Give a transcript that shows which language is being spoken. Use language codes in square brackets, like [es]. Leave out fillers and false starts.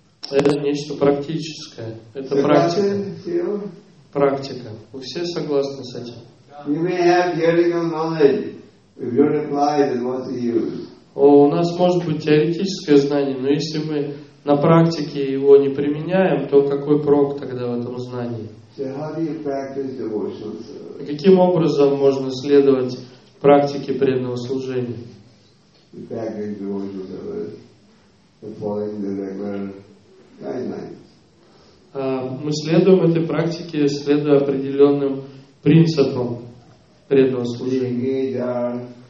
[ru] Это нечто практическое. Это практика. Практика. Вы все согласны с этим? [en] You may have theoretical knowledge. If you apply it, then what do you use? [ru] У нас может быть теоретическое знание, но если мы на практике его не применяем, то какой прок тогда в этом знании? [en] So how do you practice devotional service? [ru] Каким образом можно следовать практике преданного служения? [en] You practice devotional service by following the regular guidelines. [ru] Мы следуем этой практике, следуя определенным принципам. Преданного служения.